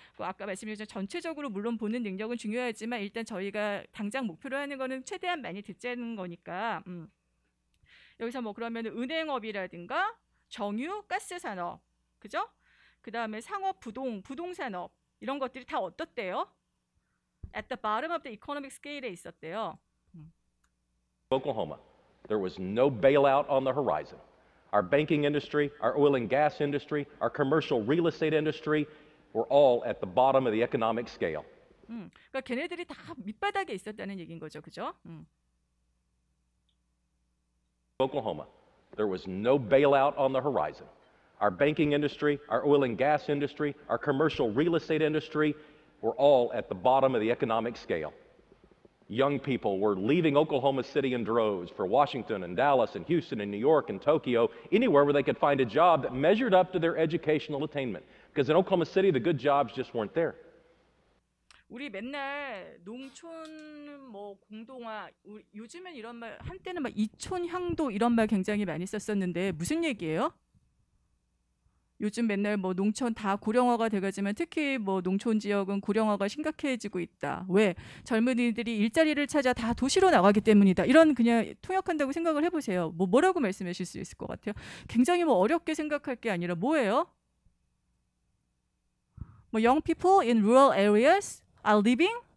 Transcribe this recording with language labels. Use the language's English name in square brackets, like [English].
[Korean] 아까 말씀드린 전체적으로 물론 보는 능력은 중요하지만 일단 저희가 당장 목표로 하는 거는 최대한 많이 듣자는 거니까 여기서 뭐 그러면 은행업이라든가 정유, 가스 산업, 그죠? 그 다음에 상업, 부동산업 이런 것들이 다 어떻대요? [English] At the bottom of the economic scale에 [Korean] 있었대요. [English] Oklahoma, there was no bailout on the horizon. Our banking industry, our oil and gas industry, our commercial real estate industry were all at the bottom of the economic scale. [Korean] 그러니까 걔네들이 다 밑바닥에 있었다는 얘긴 거죠. 그죠? [English] Oklahoma. There was no bailout on the horizon. Our banking industry, our oil and gas industry, our commercial real estate industry were all at the bottom of the economic scale. Young people were leaving Oklahoma City in droves for Washington and Dallas and Houston and New York and Tokyo, anywhere where they could find a job that measured up to their educational attainment. Because in Oklahoma City, the good jobs just weren't there. [Korean] 우리 맨날 농촌 뭐 공동화 요즘엔 이런 말 한때는 막 이촌 향도 이런 말 굉장히 많이 썼었는데 무슨 얘기예요? 요즘 맨날 뭐 농촌 다 고령화가 돼가지만 특히 뭐 농촌 지역은 고령화가 심각해지고 있다. 왜? 젊은이들이 일자리를 찾아 다 도시로 나가기 때문이다. 이런 그냥 통역한다고 생각을 해보세요. 뭐라고 말씀하실 수 있을 것 같아요? 굉장히 뭐 어렵게 생각할 게 아니라 뭐예요? [English] 뭐 young people in rural areas are leaving?